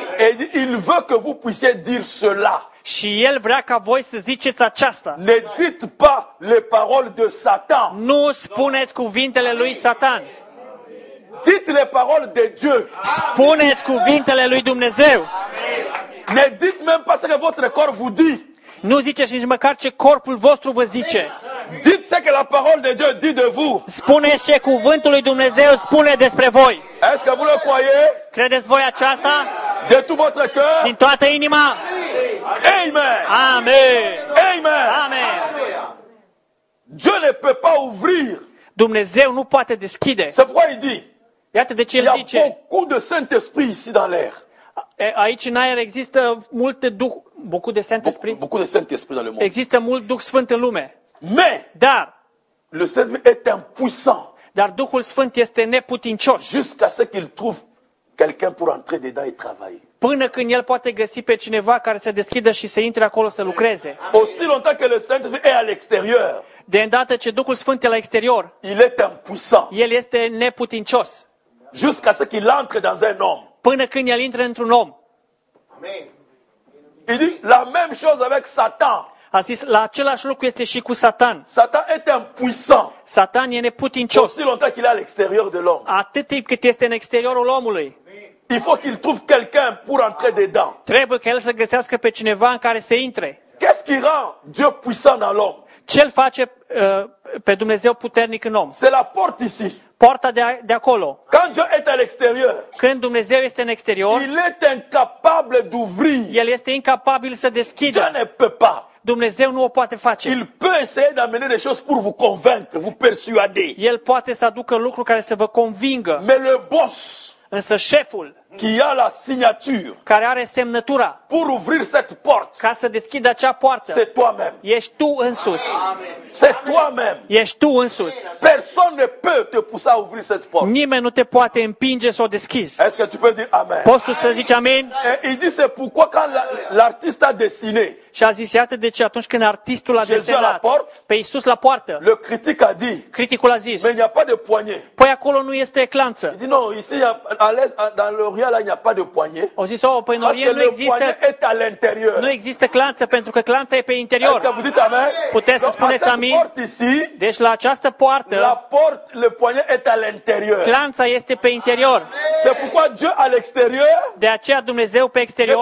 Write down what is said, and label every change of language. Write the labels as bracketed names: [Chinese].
[French] Et il veut que vous puissiez dire cela. [Romanian] Și el vrea ca voi să ziceți aceasta. [French] Ne dites pas les paroles de Satan. [Romanian] Nu spuneți cuvintele lui Satan. [French] Dites les paroles de Dieu. [Romanian] Spuneți cuvintele lui Dumnezeu. [French] Ne dites même pas ce que votre corps vous dit. [Romanian] Nu ziceți nici măcar ce corpul vostru vă zice. [French] Dites ce que la parole de Dieu dit de vous. [Romanian] Spuneți ce cuvântul lui Dumnezeu spune despre voi. [French] Est-ce que vous le croyez? [Romanian] Credeți voi aceasta? [French] De tout votre cœur? [Romanian] Din toată inima? Amen. Amen. Amen. Amen. [French] Dieu ne peut pas ouvrir. [Romanian] Dumnezeu nu poate deschide. [French] C'est pourquoi il dit. [Romanian] Iată de ce el zice. [French] Il y a beaucoup de Saint-Esprit ici dans l'air. [Romanian] Aici în aer există multe duh, [French] beaucoup de Saint-Esprit. Beaucoup de Saint-Esprit dans le monde. [Romanian] Există mult Duh Sfânt în lume. [French] Mais. [Romanian] Dar. [French] Le Saint-Esprit est impuissant. [Romanian] Dar Duhul Sfânt este neputincios. [French] Jusqu'à ce qu'il trouve quelqu'un pour entrer dedans et travailler. [Romanian] Până când el poate găsi pe cineva care să deschidă și să intre acolo să lucreze. [French] Aussi longtemps que le Saint-Esprit est à l'extérieur. [Romanian] De îndată ce Duhul Sfânt e la exterior. [French] Il est impuissant. [Romanian] El este neputincios. [French] Jusqu'à ce qu'il entre dans un homme. [Romanian] Până când el intră într-un om. [French] Amen. Il dit la même chose avec Satan. [Romanian] A zis, la același lucru este și cu Satan. Satan este [French] impuissant. [Romanian] Satan e neputincios. [French] Aussi longtemps qu'il est à l'extérieur de l'homme. [Romanian] Atât timp cât este în exteriorul omului. [French] Il faut qu'il trouve quelqu'un pour entrer dedans. [Romanian] Trebuie ca el să găsească pe cineva în care să intre. [French] Qu'est-ce qui rend Dieu puissant dans l'homme? [Romanian] Ce îl face pe Dumnezeu puternic în om? [French] C'est la porte ici. [Romanian] Poarta de acolo. [French] Quand Dieu est à l'extérieur. [Romanian] Când Dumnezeu este în exterior. [French] Il est incapable d'ouvrir. [Romanian] El este incapabil să deschidă. [French] Dieu ne peut pas. [Romanian] Dumnezeu nu o poate face. [French] Il peut essayer d'amener des choses pour vous convaincre, vous persuader. [Romanian] El poate să aducă lucruri care să vă convingă. [French] Mais le boss. [Romanian] Însă șeful [French] qui a la signature, [Romanian] care are semnătura [French] pour ouvrir cette porte, [Romanian] ca să deschidă acea poartă, [French] c'est toi-même. [Romanian] Ești tu însuți. [French] C'est toi-même. [Romanian] Ești tu însuți. [French] Personne ne peut te pousser à ouvrir cette porte. [Romanian] Nimeni nu te poate împinge să o deschizi. [French] Est-ce que tu peux dire amen? [Romanian] Poți tu să zici amen? [French] Il dit c'est pourquoi quand l'artiste a dessiné. [Romanian] Și a zis, iată de ce atunci când artistul a desenat pe Iisus la poartă. [French] Le critic a dit. [Romanian] Criticul a zis. [French] Mais il n'y a pas de poignée. [Romanian] Păi acolo nu este clanță. [French] Il dit non, ici il y a l'aise dans le il n'y a pas de poignée. [Romanian] O zis, oh, păi în Orient nu există. Nu există clanță pentru că clanța e pe interior. [French] Est-ce que vous dites amen? [Romanian] Puteți să spuneți amin? Deci la această poartă. [French] La porte, le poignet est à l'intérieur. [Romanian] Clanța este pe interior. [French] C'est pourquoi Dieu à l'extérieur. [Romanian] De aceea Dumnezeu pe exterior.